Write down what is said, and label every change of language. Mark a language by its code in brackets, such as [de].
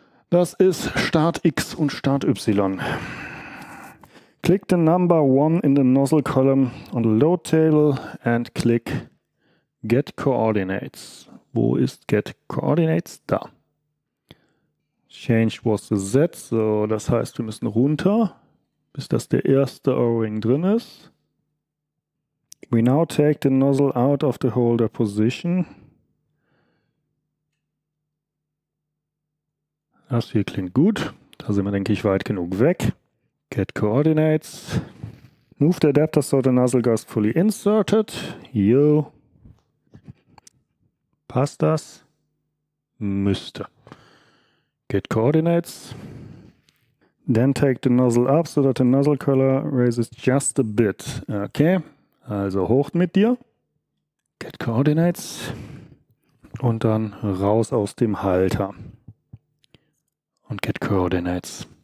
[de] Das ist Start X und Start Y. [en] Click the number 1 in the nozzle column on the load table and click Get Coordinates. [de] Wo ist Get Coordinates? Da. [en] Change was the Z. [de] So, das heißt, wir müssen runter, bis das der erste O-Ring drin ist. [en] We now take the nozzle out of the holder position. [de] Das hier klingt gut. Da sind wir, denke ich, weit genug weg. [en] Get coordinates. Move the adapter so the nozzle goes fully inserted. Yo. [de] Passt das? Müsste. Get coordinates. [en] Then take the nozzle up so that the nozzle color raises just a bit. Okay. [de] Also hoch mit dir, get coordinates und dann raus aus dem Halter und get coordinates.